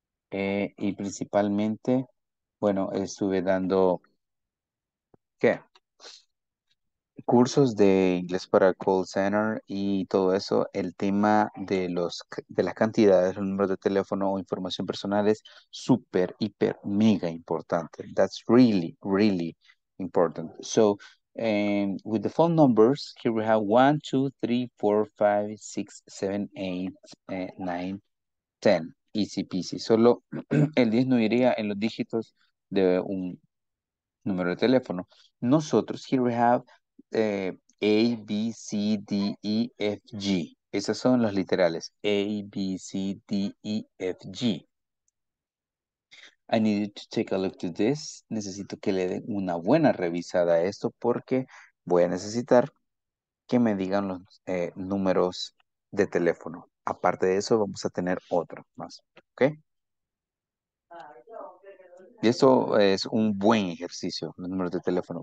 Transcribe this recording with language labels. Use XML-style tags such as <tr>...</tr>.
<es>Y principalmente, bueno, estuve dando. ¿Qué? Cursos de inglés para call center y todo eso, el tema de los de las cantidades, los números de teléfono o información personal es súper, hiper, mega importante.</es> <en>That's really, really important. So, with the phone numbers, here we have 1, 2, 3, 4, 5, 6, 7, 8, 9, 10. Easy peasy.</en> <es>Solo el 10 no iría en los dígitos de un número de teléfono. Nosotros, here we have A, B, C, D, E, F, G. Esas son las literales. A, B, C, D, E, F, G.</es> <en>I need you to take a look to this.</en> <es>Necesito que le den una buena revisada a esto porque voy a necesitar que me digan los números de teléfono. Aparte de eso, vamos a tener otro más. ¿Ok? Y esto es un buen ejercicio, los números de teléfono.</es>